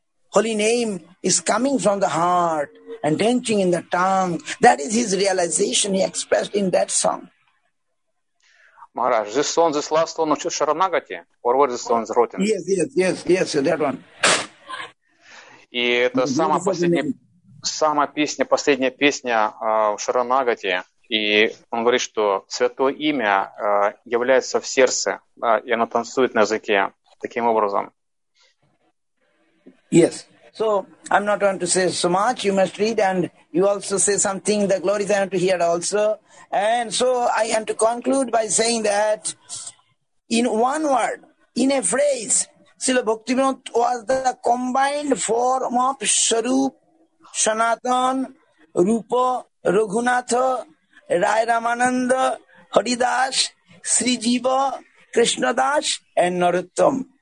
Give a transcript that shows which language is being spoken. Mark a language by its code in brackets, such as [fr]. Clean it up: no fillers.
[en] Holy name is coming from the heart and dancing in the tongue. That is his realization he expressed in that song. Maharaj, this song is last one of Sharanagati. Or what is this song is written? Yes, that one. [ru] И это самая последняя песня в Шаранагати. И он говорит, что святое имя является в сердце, и оно танцует на языке таким образом. [en] Yes. So I'm not going to say so much. You must read, and you also say something. The glories I want to hear also. And so I am to conclude by saying that in one word, in a phrase, Srila Bhaktivinoda was the combined form of Sharup, Sanatan, Rupa, Raghunatha, Rai Ramananda, Haridas, Sri Jiva, Krishna Das, and Narottam.